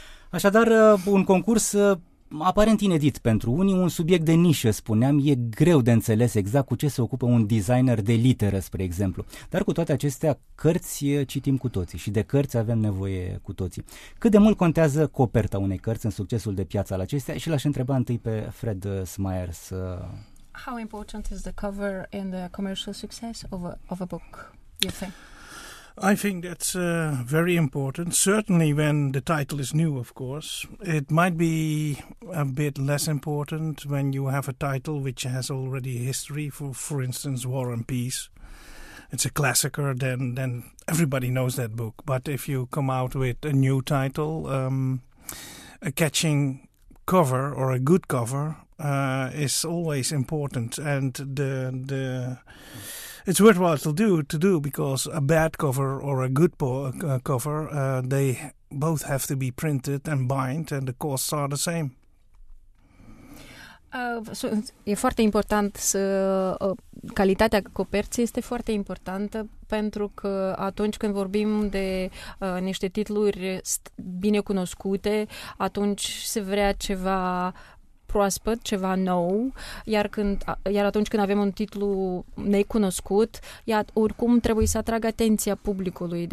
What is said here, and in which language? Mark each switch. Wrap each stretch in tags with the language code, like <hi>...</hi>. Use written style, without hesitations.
<ro>Așadar, un concurs aparent inedit pentru unii, un subiect de nișă, spuneam, e greu de înțeles exact cu ce se ocupă un designer de literă, spre exemplu. Dar cu toate acestea, cărți citim cu toții și de cărți avem nevoie cu toții. Cât de mult contează coperta unei cărți în succesul de piață al acestea? Și l-aș întreba întâi pe Fred Meyers.</ro> <en>How important is the cover in the commercial success of a book, you think? I think that's very important, certainly when the title is new, of course. It might be a bit less important when you have a title which has already history, for instance, War and Peace. It's a classicer, then everybody knows that book. But if you come out with a new title, a catching cover or a good cover is always important, and the it's worthwhile to do because a bad cover or a good cover, they both have to be printed and bind, and the costs are the same.</en> <ro>E foarte important să calitatea coperții este foarte importantă, pentru că atunci când vorbim de niște titluri bine cunoscute, atunci se vrea ceva proaspăt, ceva nou, iar atunci când avem un titlu necunoscut, oricum trebuie să atragă atenția publicului.</ro>